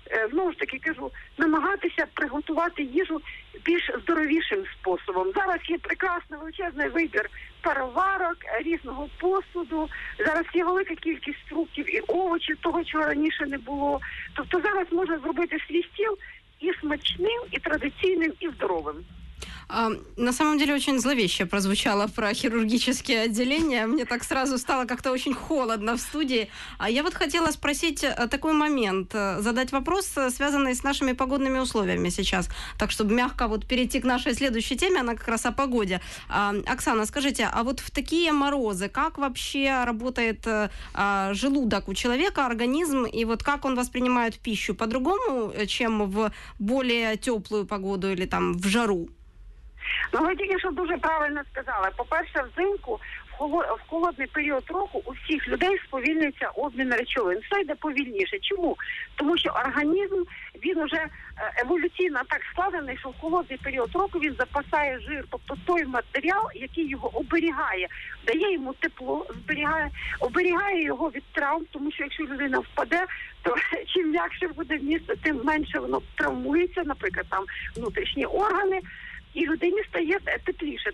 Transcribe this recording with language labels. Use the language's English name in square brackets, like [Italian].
[Ukrainian] Знову ж таки кажу, намагатися приготувати їжу більш здоровішим способом. Зараз є прекрасний величезний вибір переварок, різного посуду. Зараз є велика кількість фруктів і овочів, того, чого раніше не було. Тобто зараз можна зробити свій стіл і смачним, і традиційним, і здоровим. [Russian] На самом деле очень зловеще прозвучало про хирургические отделения. Мне так сразу стало как-то очень холодно в студии. А я вот хотела спросить такой момент, задать вопрос, связанный с нашими погодными условиями сейчас, так чтобы мягко вот перейти к нашей следующей теме, она как раз о погоде. Оксана, скажите, а вот в такие морозы как вообще работает желудок у человека, организм, и вот как он воспринимает пищу по-другому, чем в более теплую погоду или там в жару? [Ukrainian] Ну, ви тільки що дуже правильно сказали. По-перше, взимку в в холодний період року у всіх людей сповільнюється обмін речовин. Все йде повільніше. Чому? Тому що організм, він уже еволюційно так складений, що в холодний період року він запасає жир, тобто той матеріал, який його оберігає, дає йому тепло, оберігає його від травм, тому що якщо людина впаде, то чим м'якше буде місце, тим менше воно травмується, наприклад, там внутрішні органи, і людині стає тепліше.